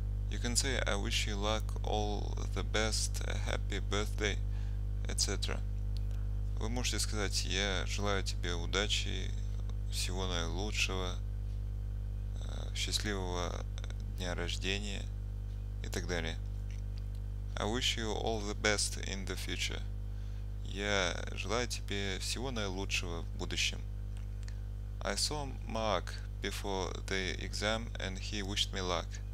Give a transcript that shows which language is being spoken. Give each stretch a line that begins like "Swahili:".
English: You can say I wish you luck, all the best, a happy birthday, etc.
Russian: Вы можете сказать я желаю тебе удачи, всего наилучшего, счастливого дня рождения и так далее.
English: I wish you all the best in the future.
Russian: Я желаю тебе всего наилучшего в будущем.
English: I saw Mark before the exam and he wished me luck.